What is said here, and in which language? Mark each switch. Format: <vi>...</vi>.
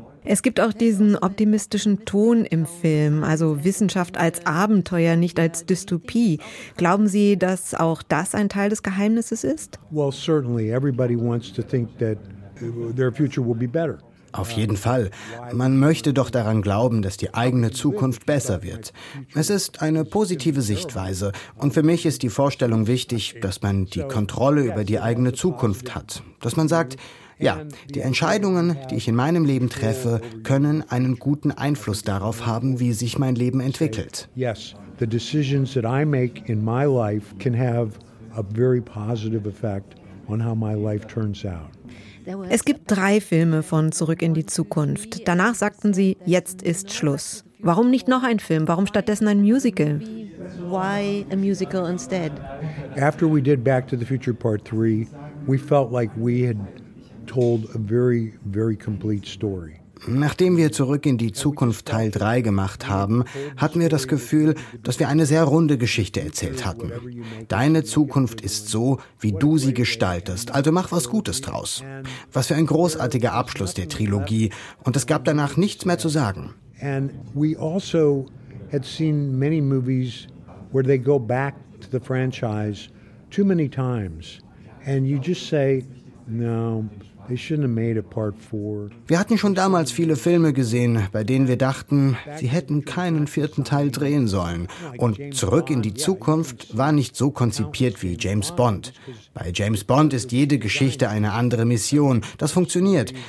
<de>Es gibt auch diesen optimistischen Ton im Film, also Wissenschaft als Abenteuer, nicht als Dystopie. Glauben Sie, dass auch das ein Teil des Geheimnisses ist?</de> <en>Well, certainly everybody wants to think that their future will be better.</en> <de>Auf jeden Fall. Man möchte doch daran glauben, dass die eigene Zukunft besser wird. Es ist eine positive Sichtweise. Und für mich ist die Vorstellung wichtig, dass man die Kontrolle über die eigene Zukunft hat. Dass man sagt, ja, die Entscheidungen, die ich in meinem Leben treffe, können einen guten Einfluss darauf haben, wie sich mein Leben entwickelt.</de> <en>Yes, the decisions that I make in my life can have a very positive effect on how my life turns out.</en> <de>Es gibt 3 Filme von Zurück in die Zukunft. Danach sagten sie, jetzt ist Schluss. Warum nicht noch ein Film? Warum stattdessen ein Musical?</de> <en>Why a musical instead? After we did Back to the Future Part 3, we felt like we had told a very, very complete story.</en> <de>Nachdem wir Zurück in die Zukunft Teil 3 gemacht haben, hatten wir das Gefühl, dass wir eine sehr runde Geschichte erzählt hatten. Deine Zukunft ist so, wie du sie gestaltest, also mach was Gutes draus. Was für ein großartiger Abschluss der Trilogie, und es gab danach nichts mehr zu sagen.</de> <en>And we also had seen many movies where they go back to the franchise too many times and you just say no.</en> <de>Wir hatten schon damals viele Filme gesehen, bei denen wir dachten, sie hätten keinen vierten Teil drehen sollen. Und Zurück in die Zukunft war nicht so konzipiert wie James Bond. Bei James Bond ist jede Geschichte eine andere Mission. Das funktioniert.</de>